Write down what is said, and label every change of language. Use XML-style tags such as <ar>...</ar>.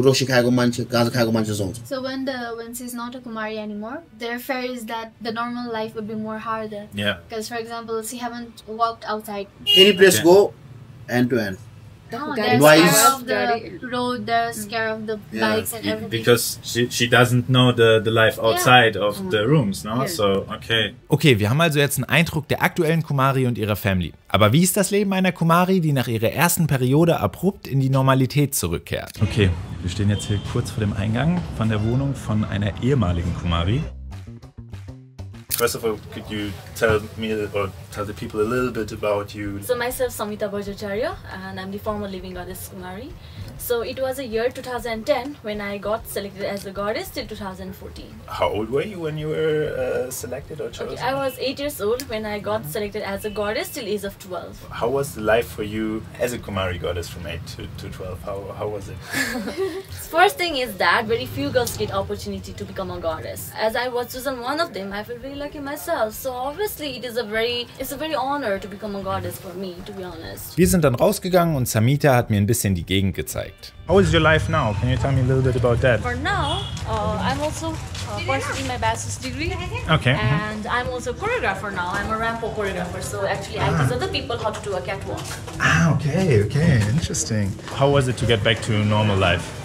<en>when she's not a Kumari anymore, their fear is that the normal life would be more harder. Yeah. Because for example, she haven't walked outside. Any place okay. Go end to end. No, they're scared of the road, they're scared of the bikes and everything. Because she doesn't know the life outside of the rooms, no? Yeah. So, okay.</en> <de>Okay, wir haben also jetzt einen Eindruck der aktuellen Kumari und ihrer Family. Aber wie ist das Leben einer Kumari, die nach ihrer ersten Periode abrupt in die Normalität zurückkehrt? Okay, wir stehen jetzt hier kurz vor dem Eingang von der Wohnung von einer ehemaligen Kumari.</de> <en>First of all, could you tell me or tell the people a little bit about you? So myself, Samita Bhojacharya, and I'm the former living goddess Kumari. So it was a year 2010 when I got selected as a goddess till 2014. How old were you when you were selected or chosen? Okay, I was 8 years old when I got selected as a goddess till age of 12. How was the life for you as a Kumari goddess from 8 to 12? How was it? First thing is that very few girls get opportunity to become a goddess. As I was chosen one of them, I feel really lucky myself. So obviously it is a very honor to become a goddess for me, to be honest.</en> <de>Wir sind dann rausgegangen und Samita hat mir ein bisschen die Gegend gezeigt.</de> <en>How is your life now? Can you tell me a little bit about that? For now, I'm also pursuing my bachelor's degree. Okay. And I'm also a choreographer now. I'm a Rampo choreographer. So actually, I teach other people how to do a catwalk. Ah, okay. Interesting. How was it to get back to normal life?</en>